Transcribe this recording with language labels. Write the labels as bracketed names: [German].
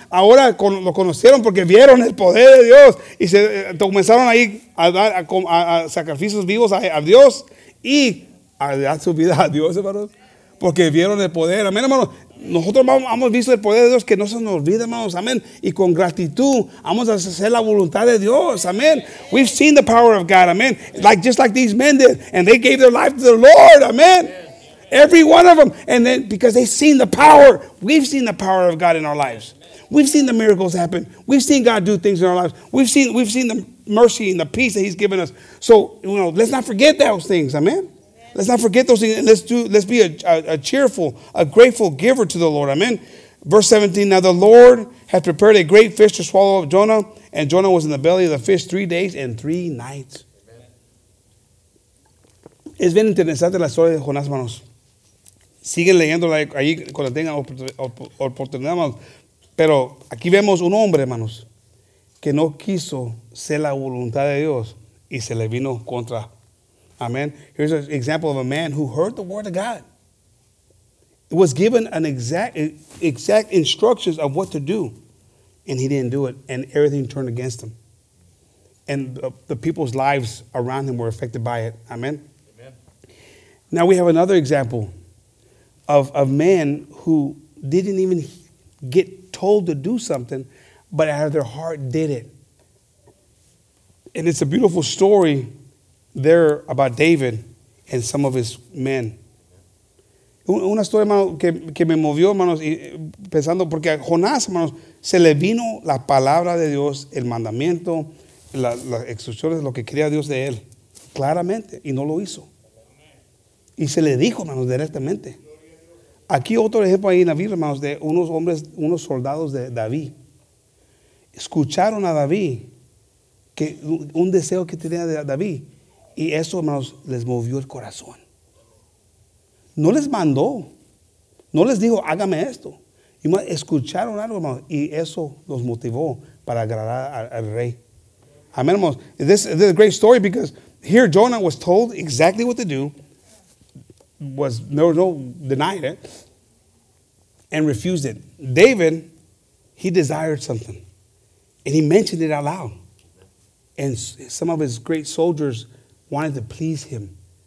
[Spanish] Ahora lo conocieron porque vieron el poder de Dios. Y se comenzaron ahí a dar a sacrificios vivos a Dios. Y a dar su vida a Dios, hermano. Porque vieron el poder. Amén, hermano. Nosotros hemos visto el poder de Dios que no se nos olvida, hermanos. Amén. Y con gratitud vamos a hacer la voluntad de Dios. [English] Amén. We've seen the power of God. Amén. Like, just like these men did. And they gave their life to the Lord. Amén. Every one of them. And then because they've seen the power. We've seen the power of God in our lives. We've seen the miracles happen. We've seen God do things in our lives. We've seen the mercy and the peace that he's given us. So, you know, let's not forget those things. Amén. Let's not forget those things. Let's be a cheerful, a grateful giver to the Lord. Amen. Verse 17. Now the Lord had prepared a great fish to swallow up Jonah, and Jonah was in the belly of the fish 3 days and three nights. Amen. [Spanish] Es bien interesante la historia de Jonás, hermanos. Siguen leyendo ahí cuando tengan oportunidad, hermanos. Pero aquí vemos un hombre, hermanos, que no quiso ser la voluntad de Dios y se le vino contra. [English] Amen. Here's an example of a man who heard the word of God. It was given an exact instructions of what to do, and he didn't do it, and everything turned against him. And the people's lives around him were affected by it. Amen. Amen. Now we have another example of a man who didn't even get told to do something, but out of their heart did it. And it's a beautiful story. They're about David and some of his men. [Spanish] Una historia, hermano, que me movió, hermanos, pensando, porque a Jonás, hermanos, se le vino la palabra de Dios, el mandamiento, las instrucciones, lo que quería Dios de él, claramente, y no lo hizo. Y se le dijo, hermanos, directamente. Aquí otro ejemplo ahí en la Biblia, hermanos, de unos hombres, unos soldados de David. Escucharon a David, que un deseo que tenía de David. Y eso, hermanos, les movió el corazón. No les mandó. No les dijo, hágame esto. Y escucharon algo, hermanos, y eso los motivó para agradar al rey. Amén, hermanos. [English] This is a great story because here Jonah was told exactly what to do. Was no denied it. And refused it. David, he desired something. And he mentioned it out loud. And some of his great soldiers wanted to please him.